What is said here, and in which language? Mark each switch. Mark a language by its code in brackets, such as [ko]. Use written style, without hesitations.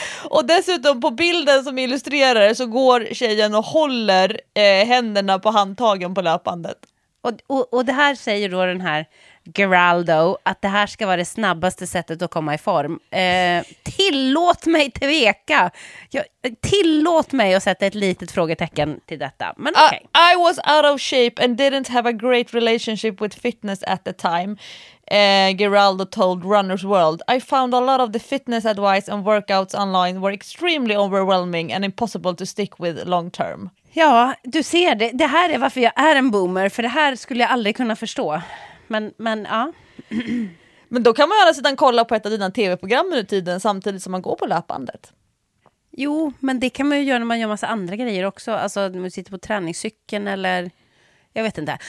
[sv] Och dessutom på bilden som illustrerar så går tjejen och håller händerna på handtagen på löpandet. Och det här säger då den här Geraldo, att det här ska vara det snabbaste sättet att komma i form. Tillåt mig tveka. Tillåt mig att sätta ett litet frågetecken till detta. Men okej. [en] I was out of shape and didn't have a great relationship with fitness at the time. Geraldo told Runner's World. I found a lot of the fitness advice and workouts online were extremely overwhelming and impossible to stick with long term. [sv] Ja, du ser det. Det här är varför jag är en boomer. För det här skulle jag aldrig kunna förstå. Men ja. Men då kan man ju alla sidan kolla på ett av dina tv-program i tiden samtidigt som man går på löpandet. Jo, men det kan man ju göra när man gör massa andra grejer också. Alltså när man sitter på träningscykeln eller... Jag vet inte.